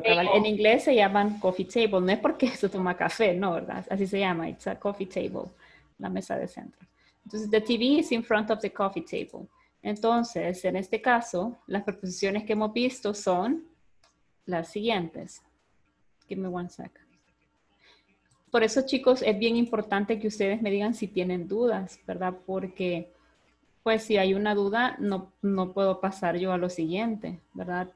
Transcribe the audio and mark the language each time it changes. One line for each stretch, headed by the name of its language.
Spanish: Mesa de centro. En inglés se llaman coffee table. No es porque se toma café, no, ¿verdad? Así se llama.
English: It's a coffee table.
Spanish: La mesa de centro. Entonces,
English: the TV is in front of the coffee table.
Spanish: Entonces, en este caso, las preposiciones que hemos visto son las siguientes.
English: Give me one second.
Spanish: Por eso, chicos, es bien importante que ustedes me digan si tienen dudas, ¿verdad? Porque, pues, si hay una duda, no puedo pasar yo a lo siguiente, ¿verdad?